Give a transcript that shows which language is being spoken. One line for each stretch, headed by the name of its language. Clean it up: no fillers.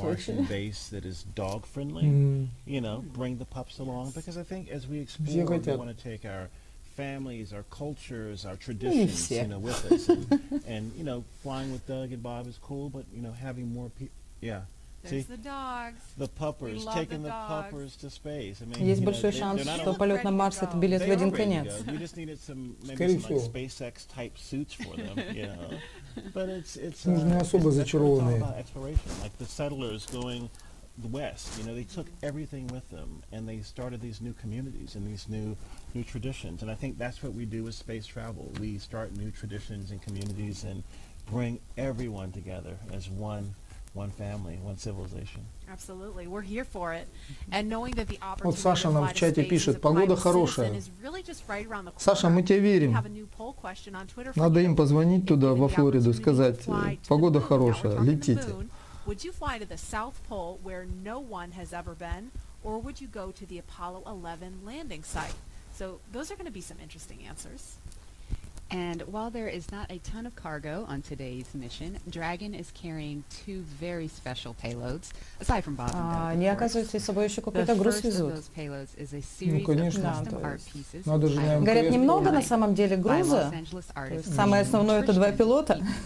English: a Martian base that is dog friendly, you know, bring the pups along. Yes. Because I think as we explore, we want to take our families, our cultures, our traditions, you know, with us. And, you know, flying with Doug and Bob is cool, but, you know, having more people, yeah. There's the dogs. The puppers, taking the puppers to space. I mean,
Russian: есть большой шанс, что полет на Марс — это билет в один конец.
English: You just needed some, maybe some like SpaceX type suits for them, you know. But it's
Russian: нужны особо зачарованные.
English: It's all about exploration. Like the settlers going west, you know, they took everything with them, and they started these new communities and these new traditions. And I think that's what we do with space travel. We start new traditions and communities and bring everyone together as one family, one civilization. Absolutely. We're here for it. And knowing that the opportunity
Russian: вот Саша нам в чате пишет, погода хорошая. Саша, мы тебе верим. Надо им позвонить туда, во Флориду, сказать, погода хорошая, летите.
English: Would you fly to the South Pole where no one has ever been, or would you go to the Apollo 11 landing site? So those are going to be some interesting answers. And while there is not a ton of cargo on today's mission, Dragon is carrying two very special payloads, aside from Bob and Doug, of course.
Russian: Собой еще какой-то груз везут.
English: Those payloads is a series of art pieces.
Russian: Надо же, говорят, немного на самом деле груза. Самое основное — это два пилота.